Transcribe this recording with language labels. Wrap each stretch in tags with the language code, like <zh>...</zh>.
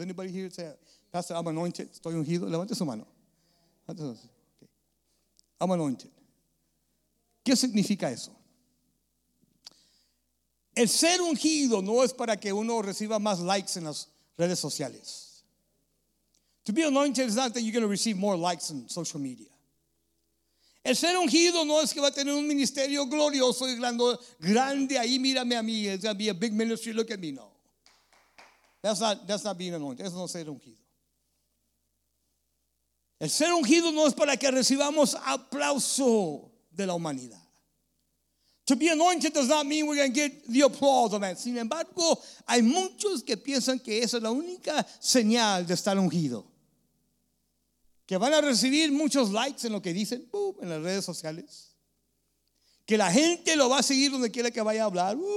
<en>Anybody here say, Pastor, I'm anointed.</en> <es>Estoy ungido. Levante su mano.</es> <en>I'm anointed.</en> <es>¿Qué significa eso? El ser ungido no es para que uno reciba más likes en las redes sociales.</es> <en>To be anointed is not that you're going to receive more likes on social media.</en> <es>El ser ungido no es que va a tener un ministerio glorioso y grande ahí, mírame a mí,</es> <en>it's going to be a big ministry, look at me,</en> <es>no.</es> <en>That's not being anointed,</en> <es>eso no es ser ungido. El ser ungido no es para que recibamos aplauso de la humanidad.</es> <en>To be anointed does not mean we're going to get the applause of man.</en> <es>Sin embargo, hay muchos que piensan que esa es la única señal de estar ungido. Que van a recibir muchos likes en lo que dicen, boom, en las redes sociales. Que la gente lo va a seguir donde quiera que vaya a hablar.</es>